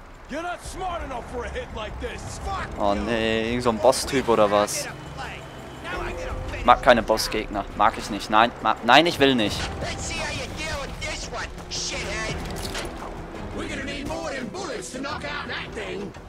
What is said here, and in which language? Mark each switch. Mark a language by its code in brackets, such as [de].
[en] You're not smart enough for a hit like this. [de] Oh nee, irgend so ein Boss-Typ oder was? Mag keine Bossgegner. Mag ich nicht. Nein, nein, ich will nicht. [en] Let's see how you deal with this one, shithead. We're gonna need more than bullets to knock out that thing.